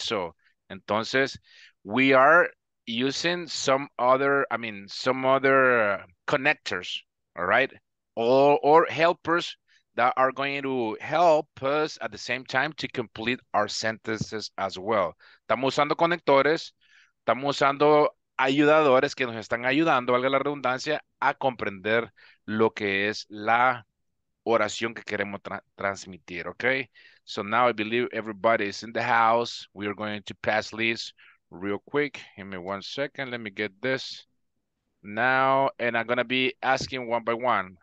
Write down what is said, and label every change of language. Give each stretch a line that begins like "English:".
English: So, entonces, we are using some other connectors, all right? Or helpers that are going to help us at the same time to complete our sentences as well.
Spanish: Estamos usando conectores, estamos usando ayudadores que nos están ayudando, valga la redundancia, a comprender lo que es la oración que queremos transmitir, okay?
English: So now I believe everybody is in the house. We are going to pass this real quick. Give me 1 second. Let me get this now. And I'm going to be asking one by one.